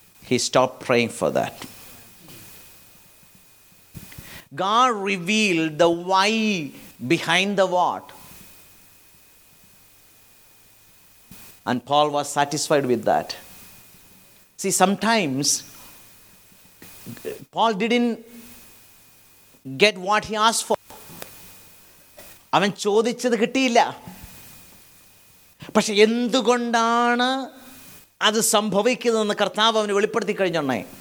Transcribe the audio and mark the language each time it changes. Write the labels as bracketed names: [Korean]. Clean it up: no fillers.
[English] He stop praying for that. God revealed the why behind the what and Paul was satisfied with that. See, sometimes Paul didn't get what he asked for. [Malayalam] അവൻ ചോദിച്ചത് കിട്ടിയില്ല. പക്ഷെ എന്തുകൊണ്ടാണ് അത് സംഭവിക്കുന്നതെന്ന് കർത്താവ് അവന് വെളിപ്പെടുത്തി കഴിഞ്ഞോണേ.